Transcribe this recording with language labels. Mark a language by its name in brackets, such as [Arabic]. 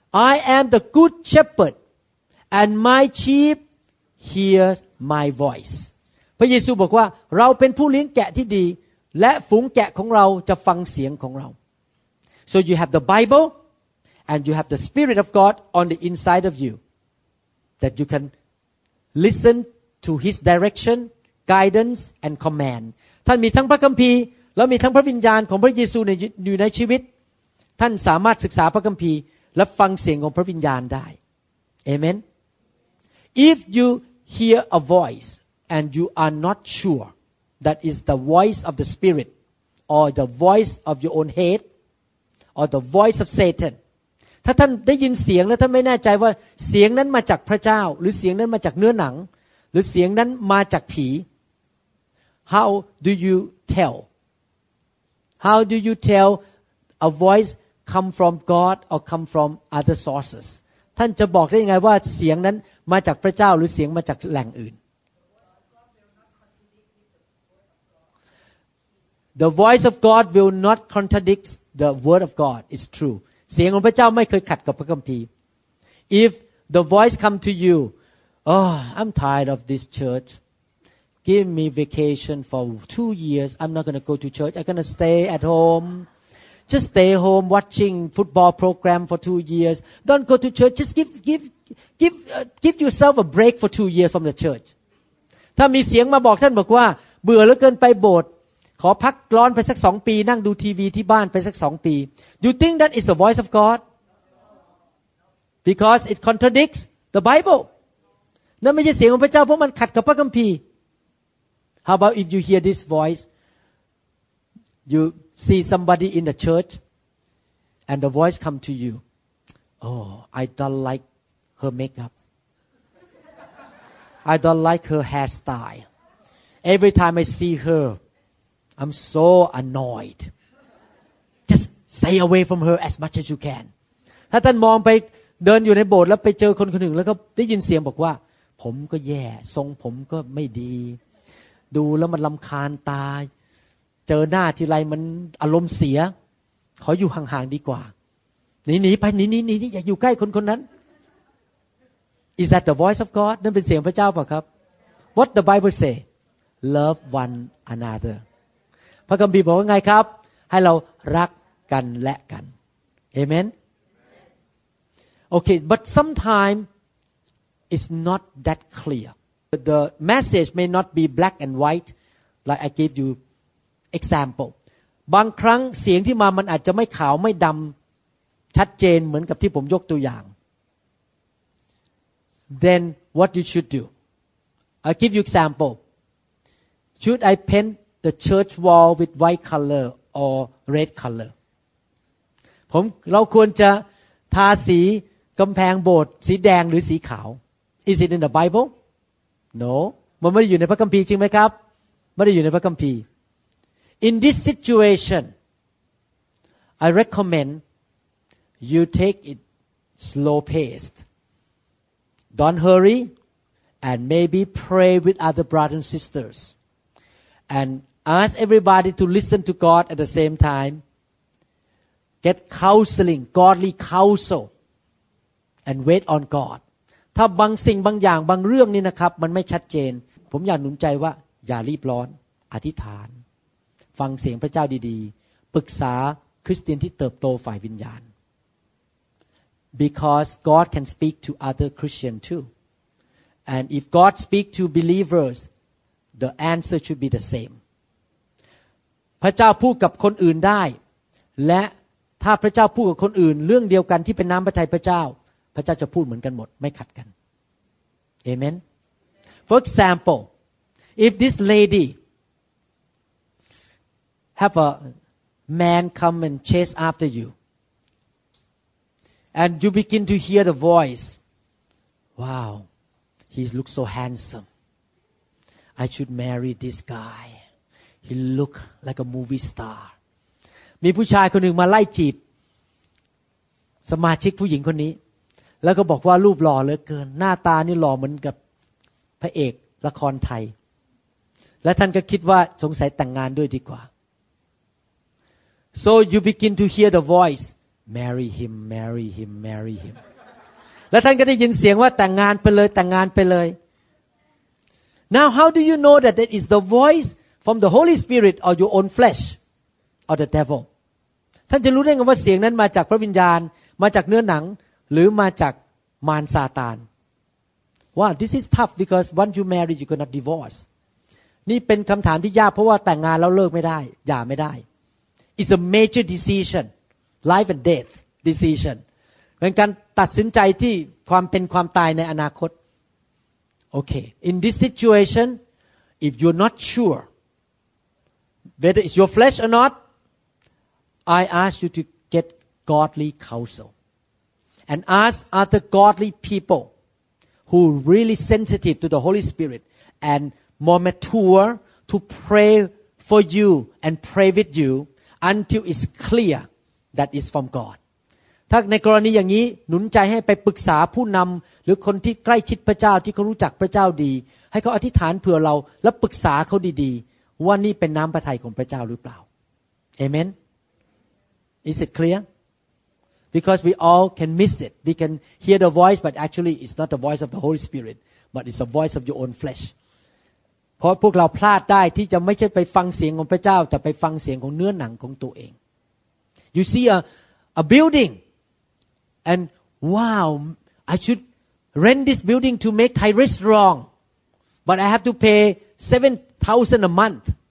[English] I am the good shepherd and my sheep hear my voice [Thai] พระเยซูบอกว่าเราเป็นผู้เลี้ยงแกะที่ดีและฝูงแกะของเราจะฟังเสียงของเรา [English] So you have the Bible, and you have the Spirit of God on the inside of you, that you can listen to His direction, guidance, and command. [Thai] ท่านมีทั้งพระคัมภีร์แล้วมีทั้งพระวิญญาณของพระเยซูในอยู่ในชีวิตท่านสามารถศึกษาพระคัมภีร์และฟังเสียงของพระวิญญาณได้ Amen. [English] If you hear a voice and you are not sure that is the voice of the Spirit or the voice of your own head. Or the voice of Satan. [Thai] ถ้าท่านได้ยินเสียงแล้วท่านไม่แน่ใจว่าเสียงนั้นมาจากพระเจ้าหรือเสียงนั้นมาจากเนื้อหนังหรือเสียงนั้นมาจากผี [English] How do you tell? How do you tell a voice come from God or come from other sources? [Thai] ท่านจะบอกได้ยังไงว่าเสียงนั้นมาจากพระเจ้าหรือเสียงมาจากแหล่งอื่น [English] The voice of God will not contradictThe word of God is true. [Thai] เสียงของพระเจ้าไม่เคยขัดกับพระคัมภีร์ [English] If the voice come to you, oh, I'm tired of this church. Give me vacation for 2 years. I'm not going to go to church. I'm going to stay at home. Just stay home watching football program for 2 years. Don't go to church. Just give yourself a break for 2 years from the church. [Thai] ถ้ามีเสียงมาบอกท่านบอกว่าเบื่อเหลือเกินไปโบสถ์ขอพักร้อนไปสัก2ปีนั่งดูทีวีที่บ้านไปสัก2ปี [English] You think that is the voice of God? Because it contradicts the Bible. [Thai] นั่นไม่ใช่เสียงของพระเจ้าเพราะมันขัดกับพระคัมภีร์ [English] How about if you hear this voice? You see somebody in the church and the voice come to you. Oh, I don't like her makeup. I don't like her hairstyle. Every time I see herI'm so annoyed. Just stay away from her as much as you can. [Thai] ถ้าท่านมองไปเดินอยู่ในโบสถ์แล้วไปเจอคนคนหนึ่งแล้วก็ได้ยินเสียงบอกว่าผมก็แย่ทรงผมก็ไม่ดีดูแล้วมันรำคาญตาเจอหน้าทีไรมันอารมณ์เสียขออยู่ห่างๆดีกว่าหนีๆไปหนีๆๆอย่าอยู่ใกล้คนๆนั้น [English] Is that the voice of God? [Thai] นั่นเป็นเสียงพระเจ้าป่ะครับ [English] What the Bible say? Love one another. [Thai] พระคัมภีร์บอกว่าไงครับให้เรารักกันและกันเอเมน [English] โอเค but sometimes it's not that clear the message may not be black and white like I gave you example [Thai] บางครั้งเสียงที่มามันอาจจะไม่ขาวไม่ดำชัดเจนเหมือนกับที่ผมยกตัวอย่าง [English] then what you should do I give you example should I paintThe church wall with white color or red color. [Thai] เราควรจะทาสีกำแพงโบสถ์สีแดงหรือสีขาว [English] Is it in the Bible? No. [Thai] มันไม่ได้อยู่ในพระคัมภีร์จริงไหมครับไม่ได้อยู่ในพระคัมภีร์ [English] In this situation, I recommend you take it slow paced. Don't hurry and maybe pray with other brothers and sisters. And ask everybody to listen to God at the same time. Get counseling, godly counsel and wait on God. [Thai] ถ้าบางสิ่งบางอย่างบางเรื่องนี่นะครับมันไม่ชัดเจนผมอยากหนุนใจว่าอย่ารีบร้อนอธิษฐานฟังเสียงพระเจ้าดีๆปรึกษาคริสเตียนที่เติบโตฝ่ายวิญญาณ [English] because God can speak to other Christian too and if God speak to believers the answer should be the same [Thai] พระเจ้าพูดกับคนอื่นได้และถ้าพระเจ้าพูดกับคนอื่นเรื่องเดียวกันที่เป็นน้ำพระทัยพระเจ้าพระเจ้าจะพูดเหมือนกันหมดไม่ขัดกันเอเมน [English] For example if this lady have a man come and chase after you and you begin to hear the voice wow he looks so handsome I should marry this guy he look like a movie star [Thai] มีผู้ชายคนหนึ่งมาไล่จีบสมาชิกผู้หญิงคนนี้แล้วก็บอกว่ารูปหล่อเหลือเกินหน้าตานี่หล่อเหมือนกับพระเอกละครไทยและท่านก็คิดว่าสงสัยแต่งงานด้วยดีกว่า [English] so you begin to hear the voice marry him marry him marry him [Thai] และท่านก็ได้ยินเสียงว่าแต่งงานไปเลยแต่งงานไปเลย [English] now how do you know that that is the voice from the Holy Spirit or your own flesh or the devil [Thai] ท่านจะรู้ได้ไงว่าเสียงนั้นมาจากพระวิญญาณมาจากเนื้อหนังหรือมาจากมารซาตาน [English] ว่า this is tough because once you marry you cannot divorce [Thai] นี่เป็นคำถามที่ยากเพราะว่าแต่งงานแล้วเลิกไม่ได้หย่าไม่ได้ [English] it's a major decision life and death decision [Thai] เป็นการตัดสินใจที่ความเป็นความตายในอนาคต [English] โอเค in this situation if you're not sure whether it's your flesh or not I ask you to get godly counselAnd ask other godly people who really sensitive to the Holy Spirit and more mature to pray for you and pray with you until it's clear that it's from God. [Thai] ถ้าในกรณีอย่างนี้หนุนใจให้ไปปรึกษาผู้นำหรือคนที่ใกล้ชิดพระเจ้าที่เขารู้จักพระเจ้าดีให้เขาอธิษฐานเผื่อเราและปรึกษาเขาดีๆว่านี่เป็นน้ำพระทัยของพระเจ้าหรือเปล่า [English] Amen. Is it clear? Because we all can miss it. We can hear the voice, but actually it's not the voice of the Holy Spirit, but it's the voice of your own flesh. [Thai] เพราะพวกเราพลาดได้ที่จะไม่ใช่ไปฟังเสียงของพระเจ้าแต่ไปฟังเสียงของเนื้อหนังของตัวเอง [English] You see a building, and wow, I should rent this building to make Thai restaurant, but I have to pay 7,000 a month.